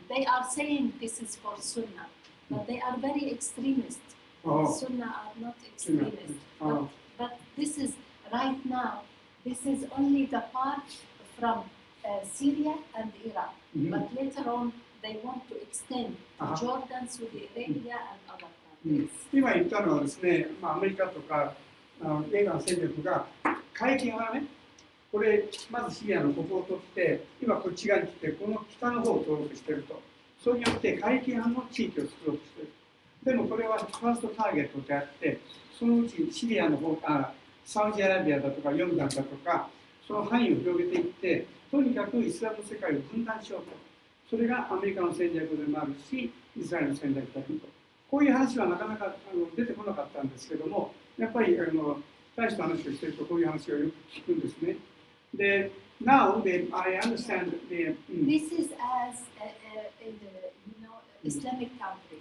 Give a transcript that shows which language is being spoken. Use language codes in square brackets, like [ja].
[en] They are saying this is for Sunnah, but they are very extremist. Oh. Sunnah are not extremist. But this is right now, this is only the part from Syria and Iraq. Mm-hmm. But later on, they want to extend to Jordan, Saudi Arabia, and other countries. [ja] 今言ったのはですね、アメリカとか、エガン戦略が会見はね、これまずシリアのここを取って、今こっち側に来て、この北の方を登録していると。それによって、過激派の地域を作ろうとしている。でもこれはファーストターゲットであって、そのうちシリアの方から、サウジアラビアだとかヨルダンだとか、その範囲を広げていって、とにかくイスラム世界を分断しようと。それがアメリカの戦略でもあるし、イスラエルの戦略であると。こういう話はなかなか出てこなかったんですけども、やっぱり、大した話をしているとこういう話をよく聞くんですね。 [en] で、now I understand the This is as in the you know Islamic country.